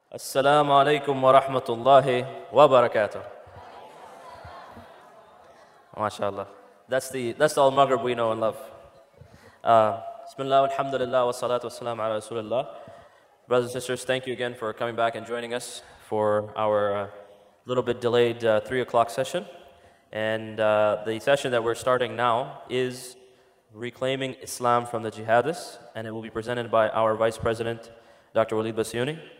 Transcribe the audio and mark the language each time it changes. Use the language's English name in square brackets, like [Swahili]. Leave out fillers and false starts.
[Arabic] السلام عليكم ورحمة الله وبركاته. ما شاء الله. [English] That's all Maghrib we know and love. [Arabic] بسم الله والحمد لله والصلاة والسلام على رسول الله. [English] Brothers and sisters, thank you again for coming back and joining us for our little bit delayed 3 o'clock session. And the session that we're starting now is Reclaiming Islam from the Jihadists, and it will be presented by our Vice President, Dr. Waleed Basiouni.